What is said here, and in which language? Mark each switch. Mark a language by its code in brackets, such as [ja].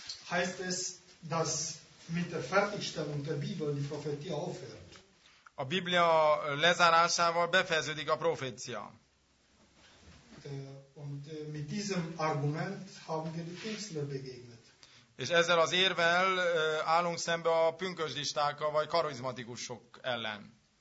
[de] Heißt es, dass mit der Fertigstellung der Bibel die Prophetie aufhört? [hu] A Biblia lezárásával befejeződik a profécia. [de] Und mit diesem Argument haben wir die Pünktler begegnet. [hu] És ezzel az érvel állunk szembe a pünkösdistákkal vagy karizmatikusok ellen.